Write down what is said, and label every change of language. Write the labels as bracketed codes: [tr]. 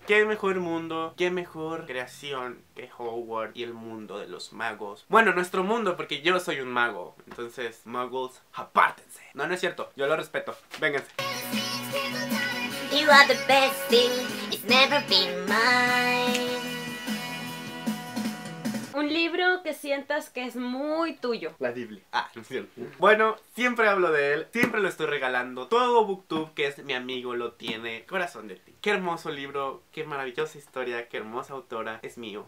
[es] ¿Qué mejor mundo, qué mejor creación que Hogwarts y el mundo de los magos? Bueno, nuestro mundo, porque yo soy un mago. Entonces, muggles, apártense. No, no es cierto, yo lo respeto. Vénganse. [en] You are the best thing, it's never been mine. [es] Un libro que sientas que es muy tuyo. La Biblia. Ah, no es cierto. Bueno, siempre hablo de él, siempre lo estoy regalando. Todo BookTube, que es mi amigo, lo tiene. Corazón de ti. Qué hermoso libro, qué maravillosa historia, qué hermosa autora. Es mío.